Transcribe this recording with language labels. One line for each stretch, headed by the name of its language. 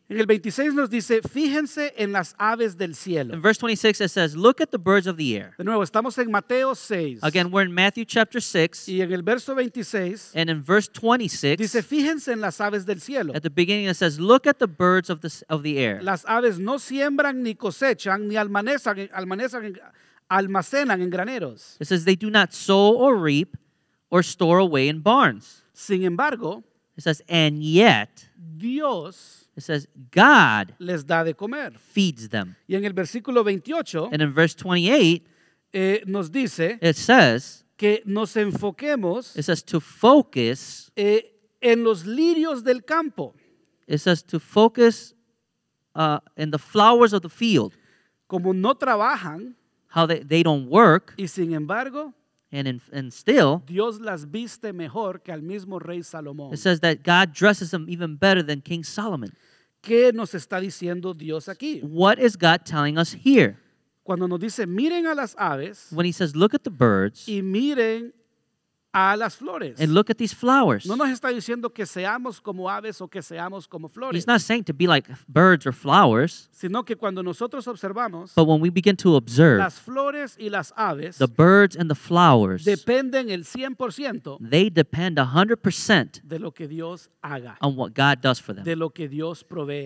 Spanish: En el 26 nos dice, fíjense en las aves del cielo.
English: In verse 26 it says, look at the birds of the air.
Spanish: De nuevo, estamos en Mateo 6.
English: Again, we're in Matthew chapter 6.
Spanish: Y en el verso 26.
English: And in verse 26.
Spanish: Dice, fíjense en las aves del cielo.
English: At the beginning it says, look at the birds of the air.
Spanish: Las aves no siembran ni cosechan ni almacenan en graneros.
English: It says they do not sow or reap or store away in barns.
Spanish: Sin embargo,
English: it says and yet
Spanish: Dios
English: it says God
Spanish: les da de comer.
English: Feeds them.
Spanish: Y en el versículo 28
English: and in verse 28
Spanish: nos dice
English: it says
Spanish: que nos enfoquemos
English: it says to focus
Spanish: en los lirios del campo.
English: It says to focus in the flowers of the field.
Spanish: Como no trabajan,
English: how they don't work,
Spanish: y sin embargo,
English: And still,
Spanish: Dios las viste mejor que al mismo rey Salomón.
English: It says that God dresses them even better than King Solomon.
Spanish: ¿Qué nos está diciendo Dios aquí?
English: What is God telling us here?
Spanish: Cuando nos dice, miren a las aves.
English: When he says, look at the birds.
Spanish: Y miren a las flores.
English: And look at these flowers.
Spanish: No nos está diciendo que seamos como aves o que seamos como flores.
English: He's not saying to be like birds or flowers.
Spanish: Sino que cuando nosotros observamos.
English: But when we begin to observe.
Spanish: Las flores y las aves.
English: The birds and the flowers.
Spanish: Dependen el 100%.
English: They depend 100%.
Spanish: De lo que Dios haga.
English: On what God does for them.
Spanish: De lo que Dios provee.